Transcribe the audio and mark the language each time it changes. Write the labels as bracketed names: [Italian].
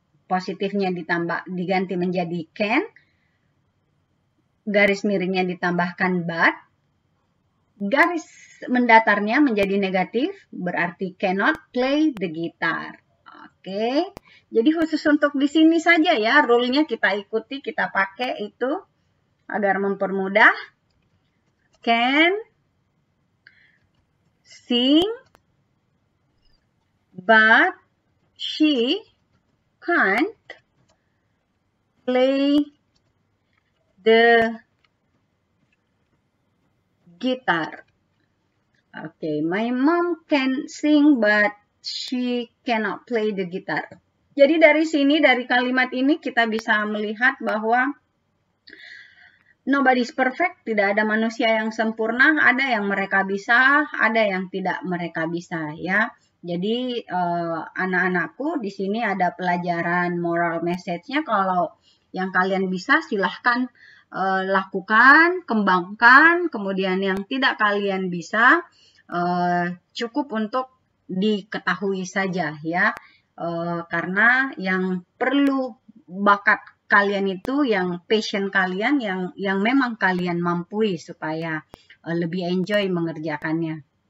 [Indonesian] Positifnya ditambah diganti menjadi can. Garis miringnya ditambahkan but. Garis mendatarnya menjadi negatif, berarti [English] cannot play the guitar. [Indonesian] Oke, jadi khusus untuk di sini saja ya, rule-nya kita ikuti, kita pakai itu agar mempermudah. [English] Can sing, but she can't play the guitar. Oke, okay, my mom can sing but she cannot play the guitar. [Indonesian] Jadi dari sini, dari kalimat ini kita bisa melihat bahwa [English] nobody's perfect, [Indonesian] tidak ada manusia yang sempurna, ada yang mereka bisa, ada yang tidak mereka bisa ya. Jadi anak-anakku di sini ada pelajaran moral message-nya, kalau yang kalian bisa silahkan lakukan, kembangkan, kemudian yang tidak kalian bisa cukup untuk diketahui saja ya, karena yang perlu bakat kalian itu yang passion kalian yang memang kalian mampu supaya lebih enjoy mengerjakannya.